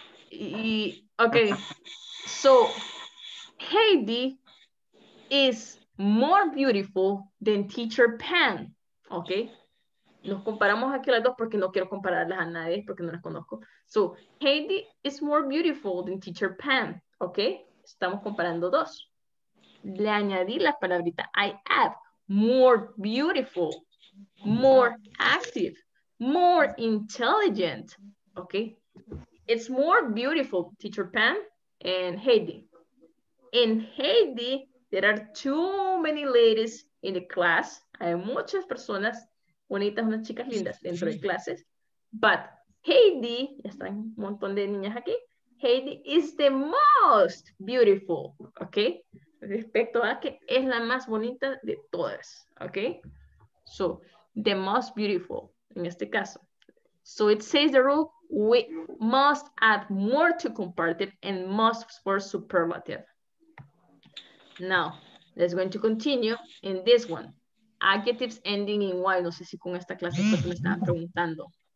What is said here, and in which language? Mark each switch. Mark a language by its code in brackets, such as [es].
[en] Y, ok, so Heidi is more beautiful than teacher Pam. [es] Ok, nos comparamos aquí las dos porque no quiero compararlas a nadie porque no las conozco. [en] So Heidi is more beautiful than teacher Pam. [es] Ok, estamos comparando dos. Le añadí la palabrita [en] I add more beautiful, more active, more intelligent. [es] Ok. [en] It's more beautiful, teacher Pam and Heidi. In Heidi, there are too many ladies in the class. [es] Hay muchas personas bonitas, unas chicas lindas dentro de clases. But Heidi, ya están un montón de niñas aquí. [en] Heidi is the most beautiful, ¿ok? [es] Respecto a que es la más bonita de todas, ¿ok? [en] So, the most beautiful, [es] en este caso. [en] So, it says the rule. We must add more to comparative and must for superlative. Now, let's going to continue in this one. Adjectives ending in Y. [es] No sé si con esta clase me estaban preguntando.